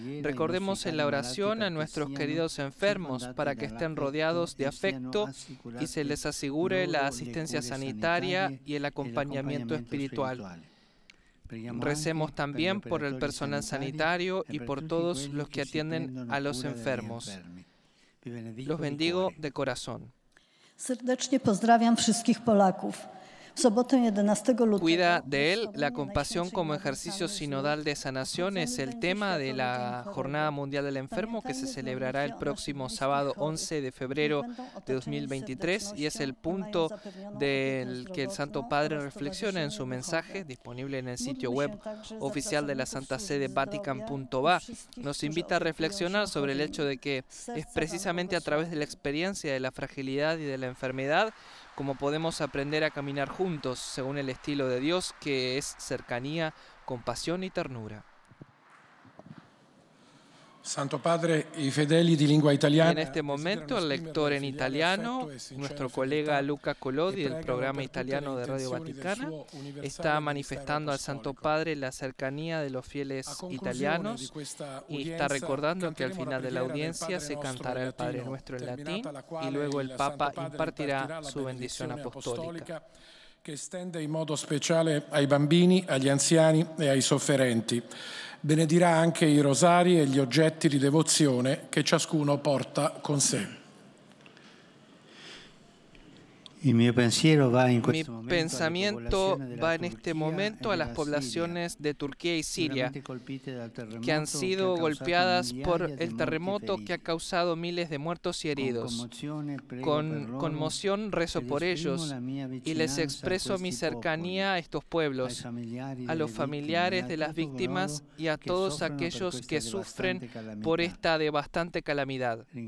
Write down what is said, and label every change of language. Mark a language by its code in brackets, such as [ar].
[es] Recordemos en la oración a nuestros queridos enfermos para que estén rodeados de afecto y se les asegure la asistencia sanitaria y el acompañamiento espiritual. Recemos también por el personal sanitario y por todos los que atienden a los enfermos. Los bendigo de corazón. [pl] Serdecznie pozdrawiam wszystkich Polaków. W sobotę 11 lutego. [es] Cuida de él, la compasión como ejercicio sinodal de sanación es el tema de la Jornada Mundial del Enfermo que se celebrará el próximo sábado 11 de febrero de 2023 y es el punto del que el Santo Padre reflexiona en su mensaje disponible en el sitio web oficial de la Santa Sede Vatican.va. Nos invita a reflexionar sobre el hecho de que es precisamente a través de la experiencia de la fragilidad y de la enfermedad cómo podemos aprender a caminar juntos, según el estilo de Dios, que es cercanía, compasión y ternura. Santo Padre y fedeli de lengua italiana. En este momento, el lector en italiano, nuestro colega Luca Collodi, del programa italiano de Radio Vaticana, está manifestando al Santo Padre la cercanía de los fieles italianos y está recordando que al final de la audiencia se cantará el Padre Nuestro en latín y luego el Papa impartirá su bendición apostólica. [it] Que estende in modo speciale ai bambini, agli anziani e ai sofferenti. Benedirà anche i rosari e gli oggetti di devozione che ciascuno porta con sé. Il mio pensiero va in questo momento. [es] Mi pensamiento va en este momento a las poblaciones de Turquía y Siria que han sido golpeadas por el terremoto que ha causado miles de muertos y heridos. Con conmoción rezo por ellos y les expreso mi cercanía a estos pueblos, a los familiares de las víctimas y a todos aquellos que sufren por esta devastante calamidad.